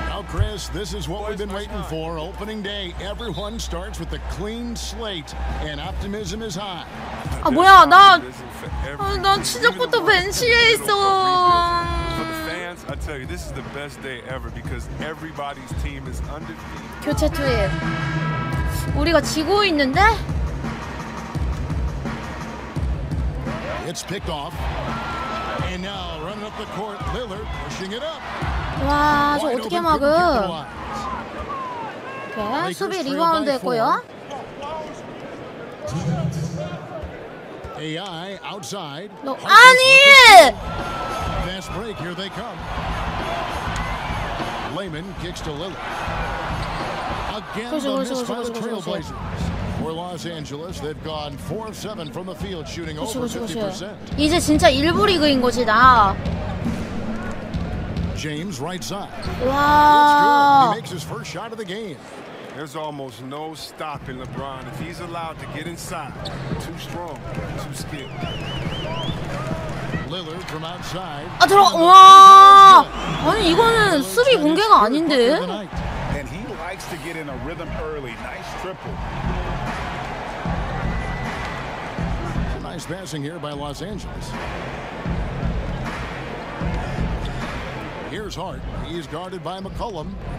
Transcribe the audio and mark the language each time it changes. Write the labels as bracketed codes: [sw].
[en] Chris, this is what we've been waiting for. Opening day, everyone starts with a clean slate, and optimism is high. [ko] 아 뭐야 나, 난 시작부터 벤치에 있어. [en] For the fans, I tell you, this is the best day ever because everybody's team is undefeated. [ko] 교체 투입. 우리가 지고 있는데? [en] It's picked off. And now running up the court, Lillard pushing it up. [ko] 와, 저 어떻게 막음? 오케이, 수비 리바운드 했고요. [en] AI outside. [ko] 너, 아니! [en] Fast break, here they come. Lehman kicks to Lillard. Again, the miss by the Trailblazers. For Los Angeles, they've gone 4-7 from the field, shooting over 50%. [ko] 이제 진짜 일부 리그인 거지, 나. [en] James right side. 와. He makes his first shot of the game. There's almost no stopping LeBron if he's allowed to get inside. Too strong, too skilled. Lillard from outside. [ko] 아, 들어. 와. 아니 이거는 수비 붕괴가 아닌데. [en] And he likes to get in a rhythm early. Nice triple. Nice passing here by Los Angeles. Here's Hart. He is guarded by McCollum.